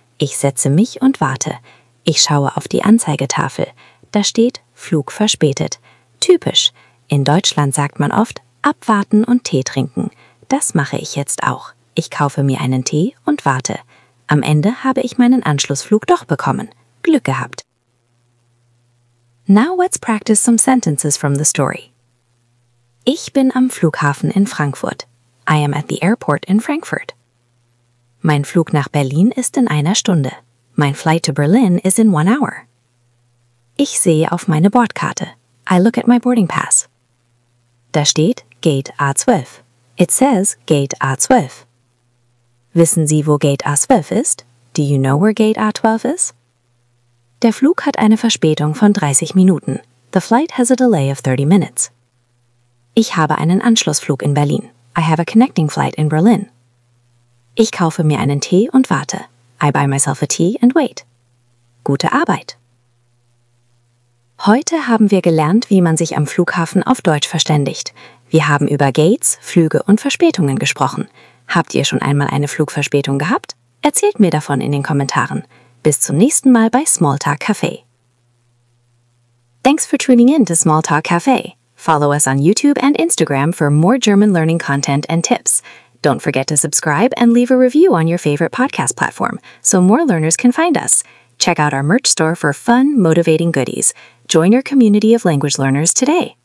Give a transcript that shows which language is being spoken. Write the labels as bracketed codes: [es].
[de] Ich setze mich und warte. Ich schaue auf die Anzeigetafel. Da steht Flug verspätet. Typisch. In Deutschland sagt man oft abwarten und Tee trinken. Das mache ich jetzt auch. Ich kaufe mir einen Tee und warte. Am Ende habe ich meinen Anschlussflug doch bekommen. Glück gehabt. [en] Now let's practice some sentences from the story. [de] Ich bin am Flughafen in Frankfurt. [en] I am at the airport in Frankfurt. [de] Mein Flug nach Berlin ist in einer Stunde. [en] My flight to Berlin is in 1 hour. [de] Ich sehe auf meine Bordkarte. [en] I look at my boarding pass. [de] Da steht Gate A12. [en] It says Gate A12. [de] Wissen Sie, wo Gate A12 ist? [en] Do you know where Gate A12 is? [de] Der Flug hat eine Verspätung von 30 Minuten. [en] The flight has a delay of 30 minutes. [de] Ich habe einen Anschlussflug in Berlin. [en] I have a connecting flight in Berlin. [de] Ich kaufe mir einen Tee und warte. [en] I buy myself a tea and wait. [de] Gute Arbeit! Heute haben wir gelernt, wie man sich am Flughafen auf Deutsch verständigt. Wir haben über Gates, Flüge und Verspätungen gesprochen. Habt ihr schon einmal eine Flugverspätung gehabt? Erzählt mir davon in den Kommentaren. Bis zum nächsten Mal bei Smalltalk Café. [en] Thanks for tuning in to Smalltalk Café. Follow us on YouTube and Instagram for more German learning content and tips. Don't forget to subscribe and leave a review on your favorite podcast platform so more learners can find us. Check out our merch store for fun, motivating goodies. Join your community of language learners today.